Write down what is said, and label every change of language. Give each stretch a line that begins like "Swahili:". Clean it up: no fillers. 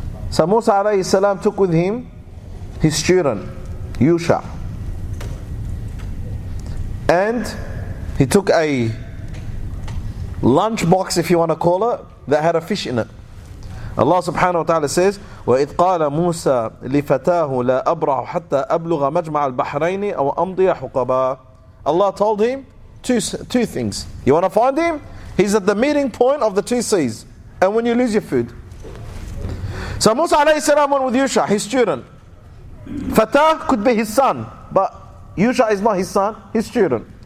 English: So Musa alayhi salam took with him his student, Yusha. And he took a lunch box, if you want to call it, that had a fish in it. Allah subhanahu wa ta'ala says,
Arabic: وَإِذْ قَالَ مُوسَى لِفَتَاهُ لَا أَبْرَحُ حَتَّى أَبْلُغَ مَجْمَعَ الْبَحْرَيْنِ أَوْ أَمْضِيَ حُقَبًا.
English: Allah told him two things. You want to find him? He's at the meeting point of the two seas. And when you lose your food. So Musa alayhi salam went with Yusha, his student. Fatah could be his son, but Yusha is not his son, his student.